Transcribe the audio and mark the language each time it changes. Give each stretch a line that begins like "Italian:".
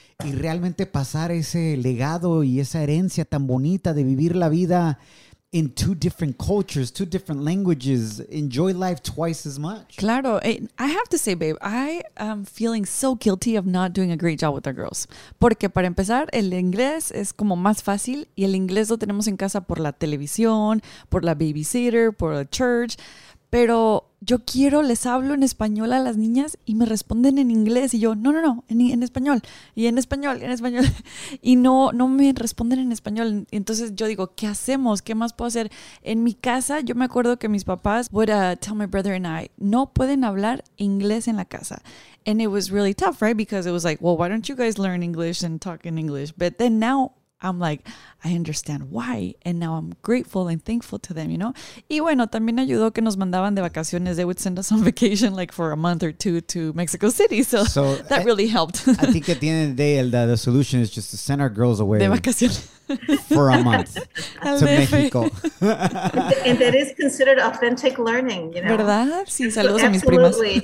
Spanish: Y realmente pasar ese legado y esa herencia tan bonita de vivir la vida
English: in two different cultures, two different languages, enjoy life twice as much.
Spanish: Claro.
English: I have to say, babe, I am feeling so guilty of not doing a great job with our girls.
Spanish: Porque para empezar, el inglés es como más fácil y el inglés lo tenemos en casa por la televisión, por la babysitter, por la church. Pero yo quiero, les hablo en español a las niñas y me responden en inglés. Y yo, no, no, no, en español. Y en español, en español. Y no, no me responden en español. Y entonces yo digo, ¿qué hacemos? ¿Qué más puedo hacer? En mi casa, yo me acuerdo que mis papás
English: would tell my brother and I,
Spanish: no pueden hablar inglés en la casa.
English: And it was really tough, right? Because it was like, well, why don't you guys learn English and talk in English? But then now I'm like, I understand why. And now I'm grateful and thankful to them, you know?
Spanish: Y bueno, también ayudó que nos mandaban de vacaciones.
English: They would send us on vacation like for a month or two to Mexico City. So that really helped. I think at the end of the day, Elda, the solution is just to send our girls away.
Spanish: De vacaciones.
English: For a month. To Mexico. And that is considered authentic learning, you know?
Spanish: ¿Verdad? Sí, saludos so a mis primas.